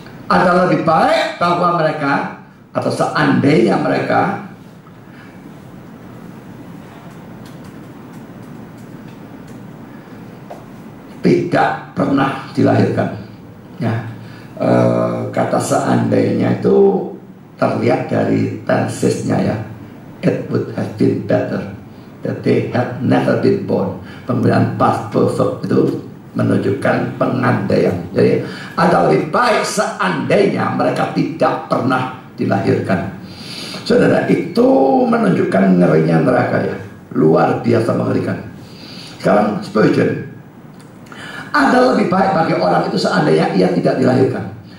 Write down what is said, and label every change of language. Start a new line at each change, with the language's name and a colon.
Indonesian: Adalah lebih baik bahwa mereka atau seandainya mereka tidak pernah dilahirkan. Ya, kata seandainya itu terlihat dari tensesnya ya.
English: It would have been better that they had never been born.
Indonesian: Penggunaan past perfect itu menunjukkan pengandaian. Jadi, ada lebih baik seandainya mereka tidak pernah dilahirkan. Saudara, itu menunjukkan ngerinya neraka ya. Luar biasa mengerikan. Sekarang, Spurgeon. Ada lebih baik bagi orang itu seandainya ia tidak dilahirkan.